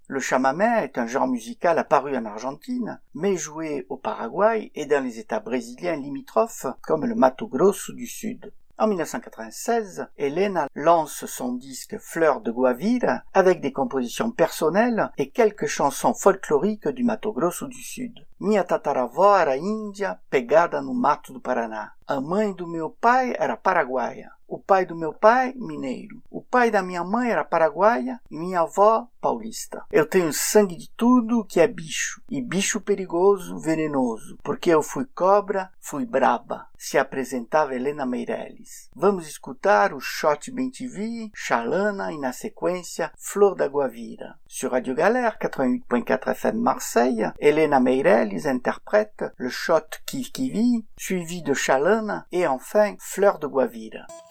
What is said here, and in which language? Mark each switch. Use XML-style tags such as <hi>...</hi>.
<fr>Le chamamé est un genre musical apparu en Argentine, mais joué au Paraguay et dans les États brésiliens limitrophes, comme le Mato Grosso du Sud. En 1996, Elena lance son disque Fleur de Guavira avec des compositions personnelles et quelques chansons folkloriques du Mato Grosso du Sud.</fr> <pt>Minha tataravó era índia pegada no mato do Paraná. A mãe do meu pai era paraguaia. O pai do meu pai, mineiro. O pai da minha mãe era paraguaia e minha avó, paulista. Eu tenho sangue de tudo que é bicho. E bicho perigoso, venenoso. Porque eu fui cobra, fui braba. Se apresentava Elena Meirelles. Vamos escutar o Shot BTV, Chalana e, na sequência, Flor da Guavira.</pt> <fr>Sur Radio Galère, 88.4 FM Marseille, Elena Meirelles interprète le Shot Kikivi, suivi de Chalana et enfin Fleur de Guavira.</fr>